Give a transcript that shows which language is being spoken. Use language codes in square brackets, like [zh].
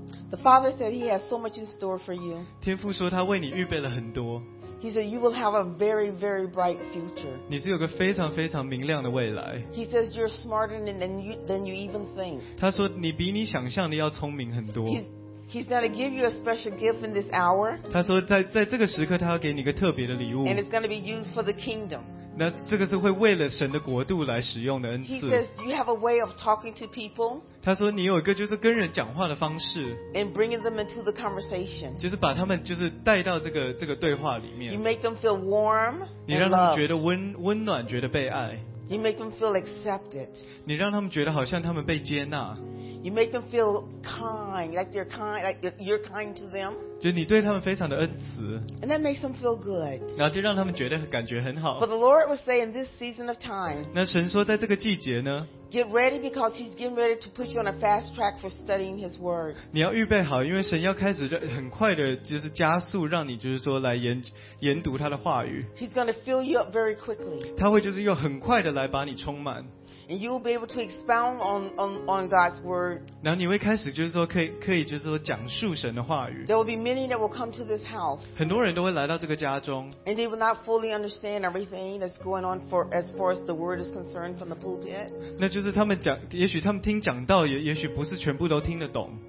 [en] The Father said He has so much in store for you. [zh] 天父说他为你预备了很多。 [en] He said you will have a very, very bright future. [zh] 你是有个非常非常明亮的未来。 [en] He says you're smarter than you even think. [zh] 他说你比你想象的要聪明很多。 [en] He's going to give you a special gift in this hour. [zh] 他说在这个时刻他要给你一个特别的礼物。 [en] And it's going to be used for the kingdom. [zh] 那这个是会为了神的国度来使用的恩赐。 [en] He says you have a way of talking to people. [zh] 他说你有一个就是跟人讲话的方式。 [en] And bringing them into the conversation. [zh] 就是把他们就是带到这个对话里面。 [en] You make them feel warm. [zh] 你让他们觉得温暖，觉得被爱。 [en] You make them feel accepted. [zh] 你让他们觉得好像他们被接纳。 [en] You make them feel kind, like they're kind, like you're kind to them. [zh] 就你对他们非常的恩慈。 [en] And that makes them feel good. [zh] 然后就让他们觉得感觉很好。 [en] But the Lord was saying this season of time. [zh] 那神说在这个季节呢。 [en] Get ready because He's getting ready to put you on a fast track for studying His Word. [zh] 你要预备好，因为神要开始很快的，就是加速让你就是说来研读他的话语。 [en] He's going to fill you up very quickly. [zh] 他会就是用很快的来把你充满。 [en] And you will be able to expound on God's word. [zh] 然后你会开始就是说可以就是说讲述神的话语。 [en] There will be many that will come to this house. [zh] 很多人都会来到这个家中。 [en] And they will not fully understand everything that's going on for as far as the word is concerned from the pulpit. [zh] 那就是他们讲，也许他们听讲道，也许不是全部都听得懂。